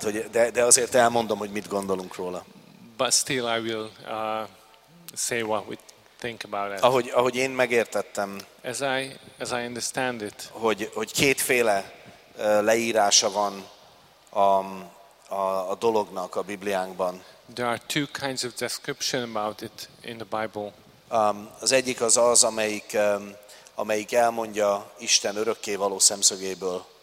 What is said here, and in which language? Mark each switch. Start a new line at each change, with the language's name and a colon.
Hungarian: De azért elmondom, hogy mit gondolunk róla.
English: But still I will say what we think about it.
Hungarian: Ahogy én megértettem.
English: As I understand it.
Hungarian: Hogy kétféle leírása van a dolognak a Bibliánkban.
English: There are two kinds of description about it in the Bible.
Hungarian: Az egyik az, amelyik elmondja Isten örökké való szemszögéből.